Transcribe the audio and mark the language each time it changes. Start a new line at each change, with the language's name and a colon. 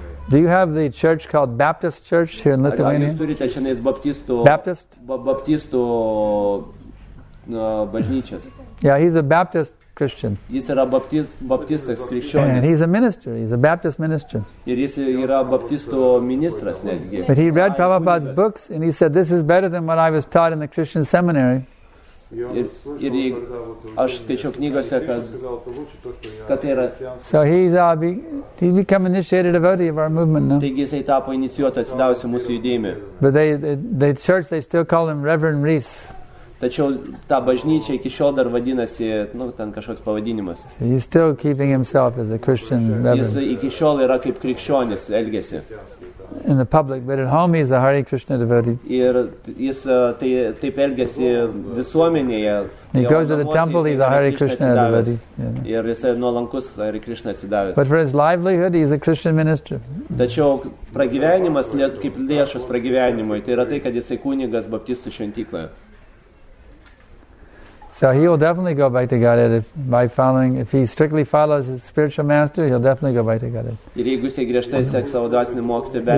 English: Do you have the church called Baptist Church here in Lithuania?
Lithuanian: Ar jūs turite šiandien baptistų bažnyčias?
English: Yeah, he's a Baptist Christian.
Lithuanian: Jis yra baptistas krikščionis.
English: And he's a minister. He's a Baptist minister.
Lithuanian: Ir jis yra baptistų ministras netgi.
English: But he read Prabhupada's books and he said, this is better than what I was taught in the Christian seminary.
Lithuanian: Ir aš skaičiau knygose, kad tai yra.
English: So he become initiated devotee of our movement now.
Lithuanian: Taigi jisai tapo inicijuotas atsidavusiu mūsų judėjimui.
English: But the church, they still call him Reverend Rees.
Lithuanian: Tačiau ta bažnyčia iki šiol dar vadinasi, nu, ten kažkoks pavadinimas.
English: So he's still keeping himself as a Christian reverend.
Lithuanian: Jis iki šiol yra kaip krikščionis elgiasi.
English: In the public, but at home he's a Hare Krishna devotee.
Lithuanian: Ir jis taip elgiasi visuomenėje.
English: He goes to the temple, he's a Hare Krishna devotee.
Lithuanian: Ir jisai nuolankus Hare Krishna atsidavęs.
English: But for his livelihood, he's a Christian minister.
Lithuanian: Tačiau pragyvenimas, kaip lėšos pragyvenimui, tai yra tai, kad jisai kunigas baptistų šventykloje.
English: So he will definitely go back to Godhead if he strictly follows his spiritual master, he'll definitely go back to Godhead.
Lithuanian: Ir jeigu jisai griežtai seks savo dvasinį mokytoją,